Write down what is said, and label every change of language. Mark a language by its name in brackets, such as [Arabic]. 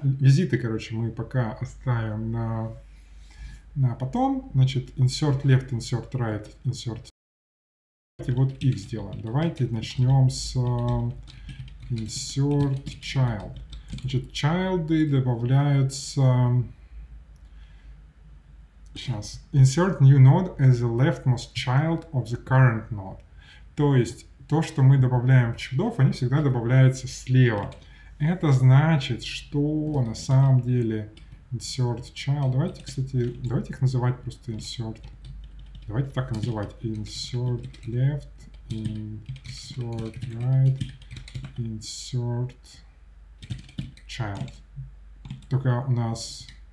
[Russian] Визиты, короче, мы пока оставим на потом. Значит, insert left, insert right, insert. И вот x сделаем. Давайте начнем с insert child. Значит, child добавляются. Сейчас. [English] Insert new node as the leftmost child of the current node. [Russian] То есть, то, что мы добавляем в чудов, они всегда добавляются слева. Это значит, что на самом деле insert child... Давайте, кстати, давайте их называть просто insert. Давайте так и называть. Insert left, insert right, insert child. Только у нас...